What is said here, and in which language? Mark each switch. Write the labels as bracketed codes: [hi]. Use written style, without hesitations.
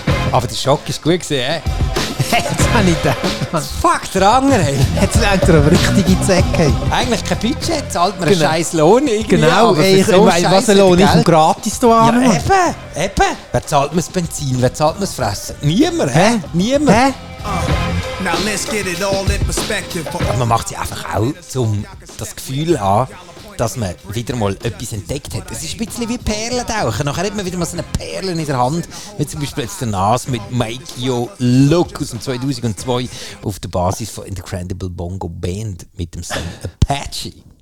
[de] Aber der Schock war gut gewesen, hey? Jetzt habe ich den. Fuck, der andere. Jetzt lernt er aber richtige Zecke. Eigentlich kein Budget, zahlt mir einen scheiß Lohn. Genau, aber ich meine, was ein Lohn ist, gratis zu haben. Ja, eben. Wer zahlt mir das Benzin? Wer zahlt mir das Fressen? Niemand, hä? Niemand. [en] Now let's get it all in perspective. [de] Man macht sie einfach auch, um das Gefühl zu haben, dass man wieder mal etwas entdeckt hat. Es ist ein bisschen wie Perlentauchen. Nachher hat man wieder mal so eine Perle in der Hand. Wie zum Beispiel jetzt der Nas mit Make Your Look aus dem 2002 auf der Basis von Incredible Bongo Band mit dem Song Apache.